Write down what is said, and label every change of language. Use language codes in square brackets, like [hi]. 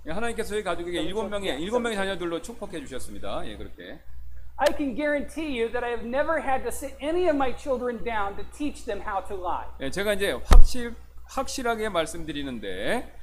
[ko] 예, 하나님께서 저희 가족에게 일곱 명의 자녀들로 축복해 주셨습니다. 예, 그렇게. [en] I can guarantee you that I have never had to sit any of my children down to teach them how to lie. [ko] 예, 제가 이제 확실하게 말씀드리는데